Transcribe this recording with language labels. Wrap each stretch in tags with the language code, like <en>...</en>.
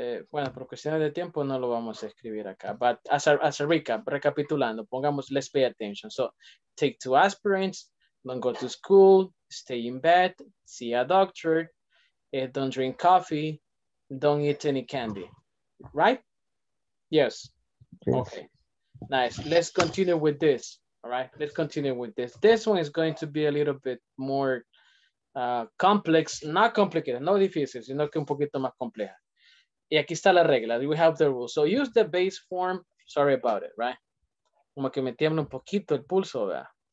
<es>Bueno, por cuestiones de tiempo no lo vamos a escribir acá.</es> <en>But as a recap,</en> <es>recapitulando, pongamos,</es> <en>let's pay attention. So, take two aspirins, don't go to school, stay in bed, see a doctor, don't drink coffee. Don't eat any candy, right? Yes. Okay. Nice. Let's continue with this. All right. Let's continue with this. This one is going to be a little bit more complex. Not complicated.</en> <es>No difícil, sino que un poquito más compleja. Y aquí está la regla.</es> <en>We have the rule. So use the base form. Sorry about it, right?</en> <es>Como que me tiembla un poquito el pulso, ¿verdad?</es>